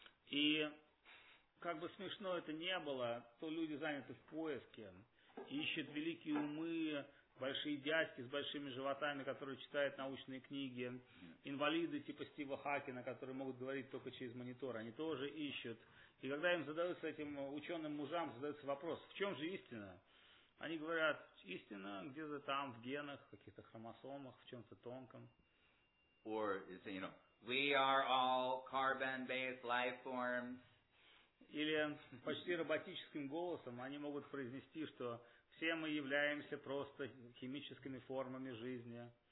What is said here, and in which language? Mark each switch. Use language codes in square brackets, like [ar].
[ru] И как бы смешно это не было, то люди заняты в поиске, ищут великие умы, большие дядьки с большими животами, которые читают научные книги, инвалиды типа Стива Хакина, которые могут говорить только через монитор, они тоже ищут. И когда им задаются, этим ученым мужам задается вопрос, в чем же истина? Они говорят, истина где-то там, в генах, в каких-то хромосомах, в чем-то тонком. [en] Or, you say, you know, we are all carbon-based life forms. [ru] Или почти роботическим голосом они могут произнести, что все мы являемся просто химическими формами жизни.